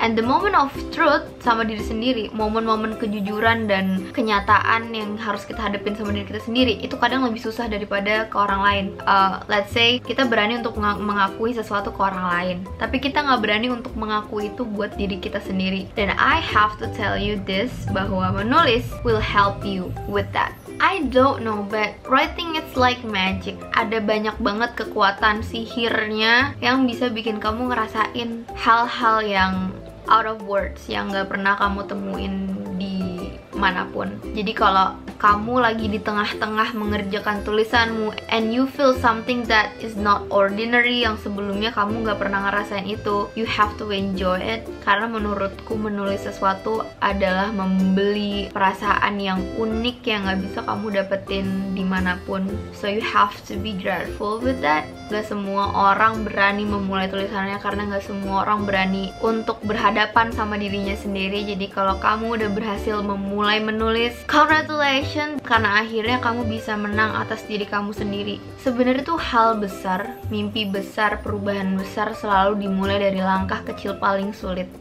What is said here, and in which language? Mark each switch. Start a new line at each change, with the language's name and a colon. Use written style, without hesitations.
English: And the moment of truth
Indonesian: sama diri sendiri, momen-momen kejujuran dan kenyataan yang harus kita hadepin sama diri kita sendiri, itu kadang lebih susah daripada ke orang lain. Let's say kita berani untuk mengakui sesuatu ke orang lain, tapi kita gak berani untuk mengakui itu buat diri kita sendiri.
English: Then I have to tell you this,
Indonesian: bahwa menulis
English: will help you with that. I don't know, but writing it's like magic.
Indonesian: Ada banyak banget kekuatan sihirnya yang bisa bikin kamu ngerasain hal-hal yang
English: out of words,
Indonesian: yang gak pernah kamu temuin di manapun. Jadi kalau kamu lagi di tengah-tengah mengerjakan tulisanmu
English: and you feel something that is not ordinary,
Indonesian: yang sebelumnya kamu gak pernah ngerasain itu,
English: you have to enjoy it.
Indonesian: Karena menurutku menulis sesuatu adalah membeli perasaan yang unik yang gak bisa kamu dapetin dimanapun.
English: So you have to be grateful with that.
Indonesian: Gak semua orang berani memulai tulisannya karena gak semua orang berani untuk berhadapan sama dirinya sendiri. Jadi kalau kamu udah berhasil memulai menulis, congratulations, karena akhirnya kamu bisa menang atas diri kamu sendiri. Sebenarnya tuh hal besar, mimpi besar, perubahan besar selalu dimulai dari langkah kecil paling sulit.